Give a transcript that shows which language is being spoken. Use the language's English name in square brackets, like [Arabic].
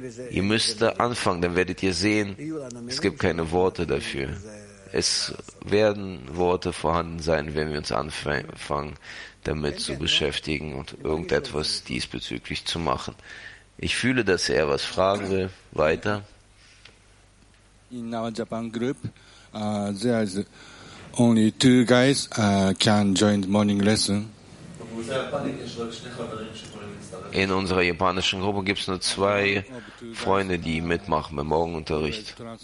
[German] Ihr müsst da anfangen, dann werdet ihr sehen, es gibt keine Worte dafür. Es werden Worte vorhanden sein, wenn wir uns anfangen, damit zu beschäftigen und irgendetwas diesbezüglich zu machen. Ich fühle, dass er was fragen will. Weiter. [English] In our Japan group, there is only two guys can join the morning lesson. [German] In unserer japanischen Gruppe gibt es nur zwei Freunde, die mitmachen beim Morgenunterricht.